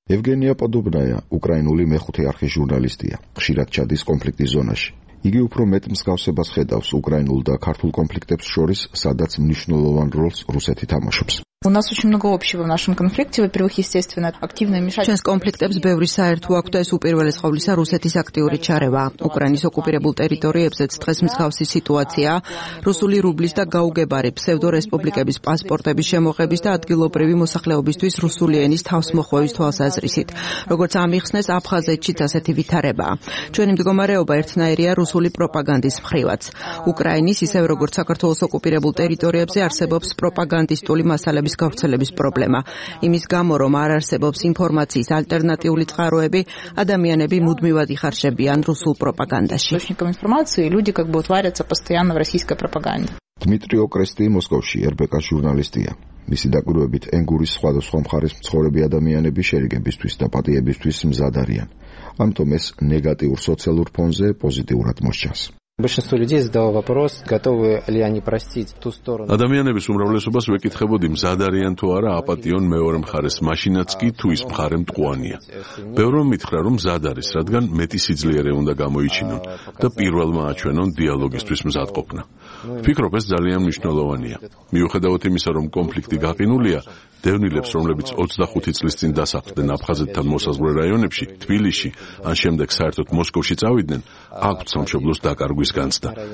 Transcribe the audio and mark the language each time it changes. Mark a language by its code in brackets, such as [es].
[ka] ევგენია პოდუბნაია უკრაინული მეხუთე არხის ჟურნალისტია, ხშირად ჩადის კონფლიქტის ზონაში. იგი უფრო მეტ მსგავსებას ხედავს უკრაინულ და ქართულ კონფლიქტებს შორის, სადაც მნიშვნელოვან როლს რუსეთი თამაშობს. [ru] У нас очень много общего в нашем конфликте. Во-первых, естественно, активное вмешательство. [ka] Сейчас конфликтებს ბევრი საერთო აქვს და ეს უპირველეს ყოვლისა რუსეთის აქტიური ჩარევა. უკრაინის ოკუპირებულ ტერიტორიებზეც დღეს მსგავსი სიტუაცია. რუსული რუბლის და გაუგებარი ფსევდო რესპუბლიკების პასპორტების შემოღების და ადგილობრივი მოსახლეობისთვის რუსული ენის თავსმოხვევის თვალსაზრისით. როგორც ამიხსნეს აფხაზეთშიც ასეთი ვითარება. ჩვენი მდგომარეობა ერთნაირია რუსული პროპაგანდის მხრივაც. უკრაინის ისევ როგორც საქართველოს ოკუპირებულ ტერიტორიებზე არსებობს პროპაგანდისტული ალების გავრცელების პრობლემა. იმის გამო, რომ არ არსებობს ინფორმაციის ალტერნატიული წყაროები, ადამიანები მუდმივად იხარშებიან რუსულ პროპაგანდაში. დმიტრი ოკრესტი მოსკოვში RBK ჟურნალისტია. მისი დაკვირვებით, ენგურის სხვადასხვა მხარეს მცხოვრები ადამიანები შერიგებისთვის და პატიებისთვის მზად არიან. ამიტომ ეს ნეგატიურ სოციალურ ფონზე პოზიტიურად მოსჩანს. [ru] Большинство людей задало вопрос, готовы ли они простить ту сторону. [ka] Адамьянების უმრავლესობას ვეკითხებოდი, მზად არიან თუ არა აპატიონ მეორე მხარეს, მაშინაც კი თუ ის მხარე მტყუანია. ბევრი მითხრა, რომ მზად არის, რადგან მეტი სიძლიერე უნდა გამოიჩინონ და პირველმა აჩვენონ დიალოგისთვის მზადყოფნა. ფიქრობ, ეს ძალიან მნიშვნელოვანია. მიუხედავად იმისა, რომ კონფლიქტი გაყინულია, დევნილებს, რომლებიც 25 წლის წინ დასახლდნენ აფხაზეთთან მოსაზღვრე რაიონებში, თბილისში, ან შემდეგ საერთოდ მოსკოვში წავიდნენ, აქვთ სამშობლოს დაკარგვის განცდა.